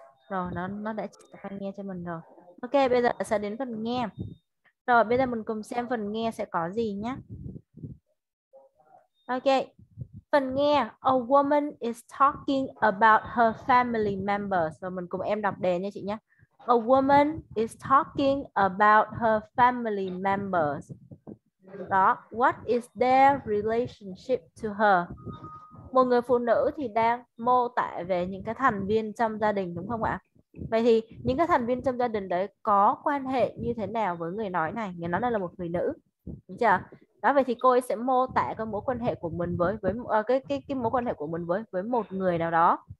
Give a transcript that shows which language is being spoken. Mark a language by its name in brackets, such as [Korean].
[Vietnamese] Rồi, nó đã tai nghe cho mình rồi. Ok, bây giờ là sẽ đến phần nghe. Rồi, bây giờ mình cùng xem phần nghe sẽ có gì nhé. [English] Ok, [Vietnamese] phần nghe, [English] a woman is talking about her family members. [Vietnamese] Rồi mình cùng em đọc đề nha chị nhé. [English] A woman is talking about her family members. Đó, what is their relationship to her? [Vietnamese] Một người phụ nữ thì đang mô tả về những cái thành viên trong gia đình đúng không ạ? Vậy thì những cái thành viên trong gia đình đấy có quan hệ như thế nào với người nói này? Người nói này là một người nữ. Đúng chưa? Đó, vậy thì cô ấy sẽ mô tả cái mối quan hệ của mình với cái mối quan hệ của mình với một người nào đó.